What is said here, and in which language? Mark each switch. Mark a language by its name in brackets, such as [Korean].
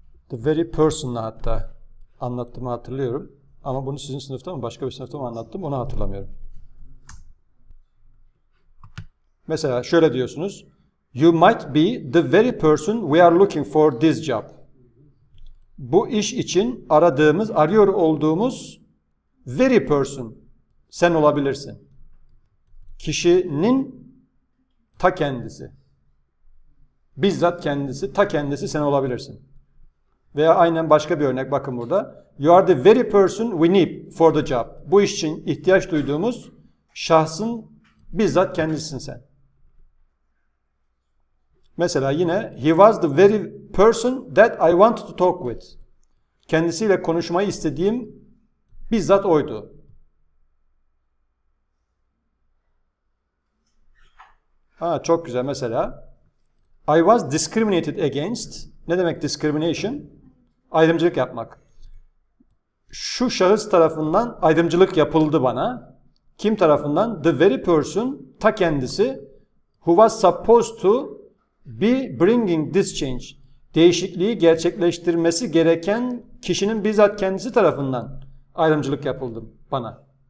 [English] The very person'la [Turkish] hatta anlattığımı hatırlıyorum. Ama bunu sizin sınıfta mı, başka bir sınıfta mı anlattım, onu hatırlamıyorum. Mesela şöyle diyorsunuz. [English] You might be the very person we are looking for this job. [Turkish] Bu iş için arıyor olduğumuz [English] very person [Turkish] sen olabilirsin. Kişinin ta kendisi. Bizzat kendisi, ta kendisi sen olabilirsin. Veya aynen başka bir örnek, bakın burada. [English] You are the very person we need for the job. [Turkish] Bu iş için ihtiyaç duyduğumuz şahsın bizzat kendisisin sen. Mesela yine, [English] he was the very person that I wanted to talk with. [Turkish] Kendisiyle konuşmayı istediğim bizzat oydu. Ha, çok güzel mesela. [English] I was discriminated against. [Turkish] Ne demek discrimination? Ayrımcılık yapmak. Şu şahıs tarafından ayrımcılık yapıldı bana. Kim tarafından? [English] The very person, [Turkish] ta kendisi, [English] who was supposed to be bringing this change. [Turkish] Değişikliği gerçekleştirmesi gereken kişinin bizzat kendisi tarafından ayrımcılık yapıldı bana.